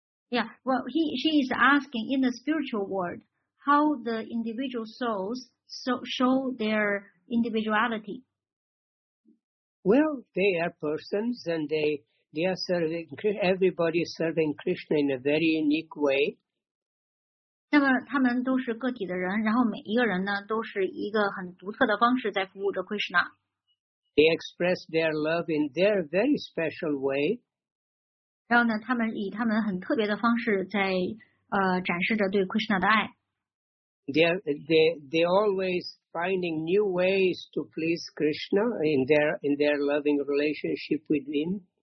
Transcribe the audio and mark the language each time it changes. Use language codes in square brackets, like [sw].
[en] Yeah, well, she is asking in the spiritual world, how the individual souls show their individuality? Well, they are persons and they are serving, everybody is serving Krishna in a very unique way. [zh] 那么他们都是个体的人，然后每一个人呢都是一个很独特的方式在服务着 Krishna. [en] They express their love in their very special way. [zh] 然后呢他们以他们很特别的方式在展示着对 Krishna 的爱。 [en] They're always finding new ways to please Krishna in their loving relationship with him.